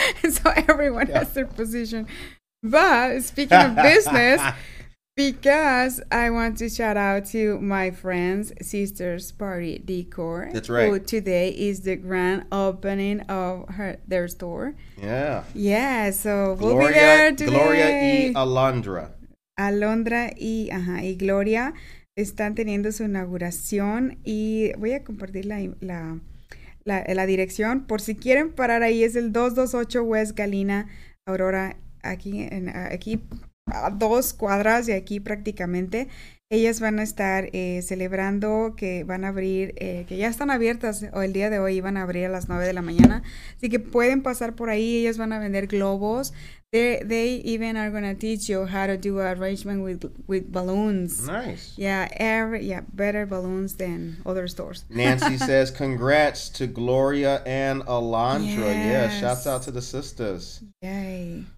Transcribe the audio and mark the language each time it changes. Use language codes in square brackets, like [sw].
[en] So everyone yeah. has their position. But speaking of business, because I want to shout out to my friend's sister's party decor. That's right. Who today is the grand opening of their store. Yeah. Yeah. So we'll be there today. [es] Gloria y Alondra. Alondra y, ajá, y Gloria están teniendo su inauguración. Y voy a compartir la dirección. Por si quieren parar ahí, es el 228 West Galena Aurora, aquí. A dos cuadras de aquí prácticamente. Ellas van a estar celebrando que van a abrir, que ya están abiertas, o el día de hoy iban a abrir a las 9 de la mañana. Así que pueden pasar por ahí, ellas van a vender globos. [en] They even are going to teach you how to do an arrangement with balloons. Nice. Yeah, better balloons than other stores. Nancy says, congrats to Gloria and Alondra. Yes. Yeah, shout out to the sisters. Yay.